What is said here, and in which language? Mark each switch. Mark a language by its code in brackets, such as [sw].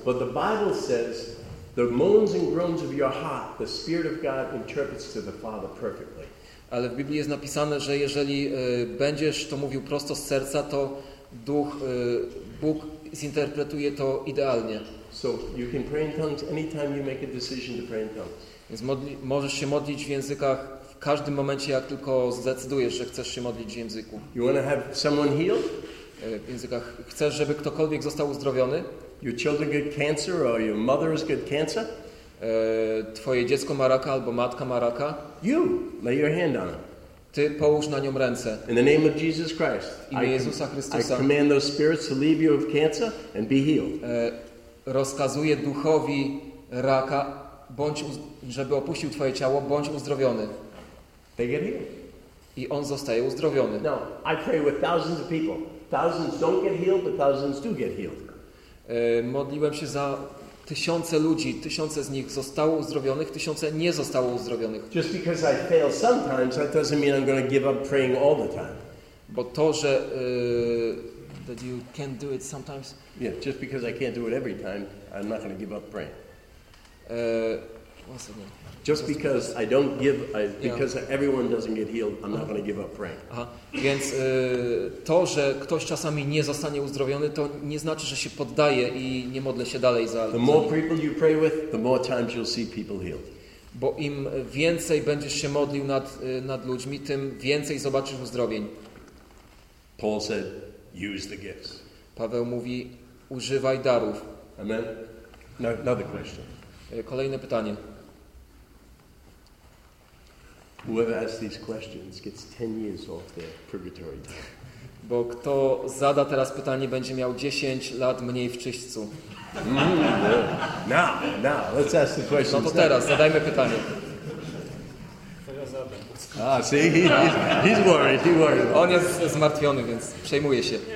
[en] But the Bible says the moans and groans of your heart, the Spirit of God interprets to the Father perfectly. [pl] Ale w Biblii jest napisane, że jeżeli będziesz to mówił prosto z serca, to Duch Bóg zinterpretuje to idealnie. [en] So you can pray in tongues anytime you make a decision to pray in tongues. [pl] Więc możesz się modlić w językach w każdym momencie, jak tylko zdecydujesz, że chcesz się modlić w języku. [en] You want to have someone healed? [pl] W językach. Chcesz, żeby ktokolwiek został uzdrowiony? [en] Your children get cancer or your mother has got cancer? [pl] Twoje dziecko ma raka albo matka ma raka? [en] You lay your hand on it. [pl] Ty połóż na nią ręce. [en] In the name of Jesus Christ. [pl] Imię Jezusa Chrystusa. [en] I command those spirits to leave you of cancer and be healed. [pl] Rozkazuję duchowi raka, żeby opuścił twoje ciało, bądź uzdrowiony. [en] They get healed. [pl] I on zostaje uzdrowiony. [en] Now, I pray with thousands of people. Thousands don't get healed, but thousands do get healed. [pl] Modliłem się za tysiące ludzi, tysiące z nich zostało uzdrowionych, tysiące nie zostało uzdrowionych. [en] Just because I fail sometimes, that doesn't mean I'm going to give up praying all the time. [pl] Bo to, że [en] that you can't do it sometimes. Yeah, just because I can't do it every time, I'm not going to give up praying. What's the name? Just because I don't give, because everyone doesn't get healed, I'm not going to give up praying. Aha. [pl] Więc to, że ktoś czasami nie zostanie uzdrowiony, to nie znaczy, że się poddaje i nie modlę się dalej za. [en] The more people you pray with, the more times you'll see people healed. [pl] Bo im więcej będziesz się modlił nad ludźmi, tym więcej zobaczysz uzdrowień. [en] Paul said, "Use the gifts." [pl] Paweł mówi, używaj darów. [en] Amen. No, another question. [pl] Kolejne pytanie. [en] Whoever asks these questions gets 10 years off their purgatory. [pl] Bo kto zada teraz pytanie, będzie miał 10 lat mniej w czyśćcu. [en] Now, let's ask the question. [pl] No to teraz, zadajmy pytanie. [en] Ah, see, he's worried. [pl] On jest zmartwiony, więc przejmuje się.